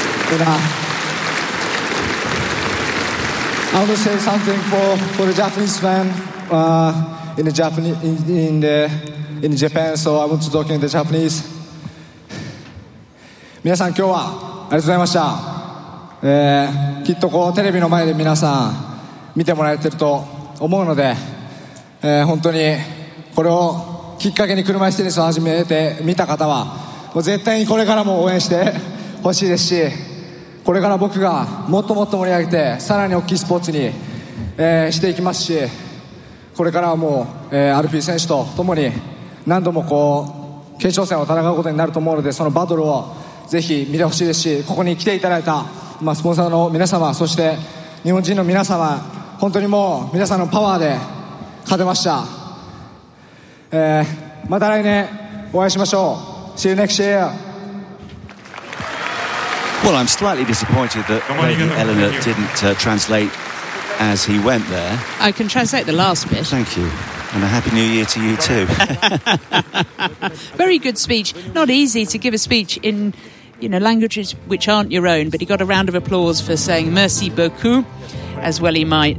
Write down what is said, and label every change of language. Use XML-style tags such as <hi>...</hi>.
<en>And, I want to say something for the Japanese fan in Japan. So I want to talk in the Japanese.</en> <ja>皆さん今日はありがとうございました。きっとこうテレビの前で皆さん見てもらえてると思うので、本当にこれをきっかけに車いすテニスを始めてみた方はもう絶対にこれからも応援してほしいですし、これから僕がもっともっと盛り上げてさらに大きいスポーツに、していきますし、これからはもう、アルフィー選手とともに何度もこう決勝戦を戦うことになると思うので、そのバトルをぜひ見てほしいですし、ここに来ていただいたまあ、スポンサーの皆様、そして日本人の皆様、本当にもう皆さんのパワーで勝てました。また来年お会いしましょう。</ja> <en>See you next year. Well, I'm slightly disappointed that Eleanor didn't translate as he went there. I can translate the last bit. Thank you. And a happy new year to you too. Very good speech. Not easy to give a speech in, you know, languages which aren't your own, but he got a round of applause for saying</en> <fr>merci beaucoup,</fr> <en>as well he might.</en>